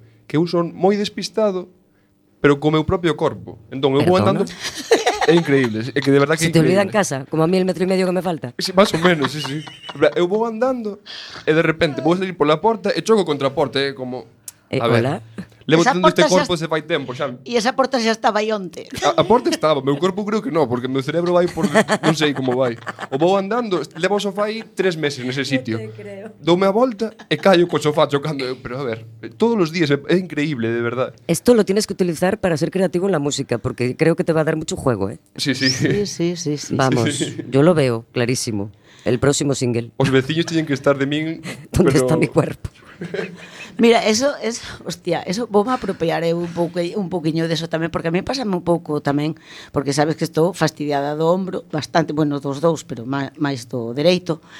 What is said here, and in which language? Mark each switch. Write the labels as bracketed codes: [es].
[gl] Que eu son moi despistado, pero co meu propio corpo. Entón, eu vou andando... É increíble, é que de verdad que [es] se te olvida en casa, como a mí el metro y medio que me falta. Sí, más o menos, sí, sí. [gl] Eu vou andando e de repente vou salir por la porta e choco contra a porta, como... A ver, levo tendo este corpo se fai tempo xa. E esa porta xa estaba aí onte. A porta estaba, meu corpo creo que non, porque meu cerebro vai por... non sei como vai. O vou andando, levo o sofá aí tres meses nese sitio. Doume a volta e caio co sofá chocando. Pero a ver, todos os días é increíble, de verdad. [es] Esto lo tienes que utilizar para ser creativo en la música, porque creo que te va a dar mucho juego, ¿eh? Sí, sí. Sí, sí, sí, sí. Vamos, sí. Yo lo veo clarísimo. El próximo single. [gl] Os veciños teñen que estar de min... [es] ¿Dónde pero... está mi cuerpo? [gl] Mira, eso es, hostia, eso vou apropiar un poquinho de eso tamén, porque a mí pásame un pouco tamén, porque sabes que estou fastidiada do ombro, bastante, bueno, dos dous, pero máis do dereito.